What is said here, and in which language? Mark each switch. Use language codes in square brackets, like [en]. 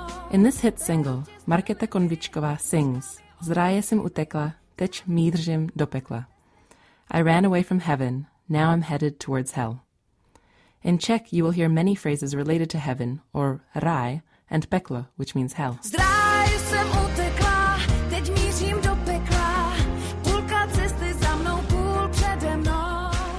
[en] In this hit single, Markéta Konvičková sings [cs] Ráje, jsem utekla, teď mířím do pekla. [en] I ran away from heaven, now I'm headed towards hell. In Czech, you will hear many phrases related to heaven, or ráje, and peklo, which means hell. [cs] Ráje, jsem utekla, teď mířím do pekla, půlka cesty za mnou, půl přede mnou.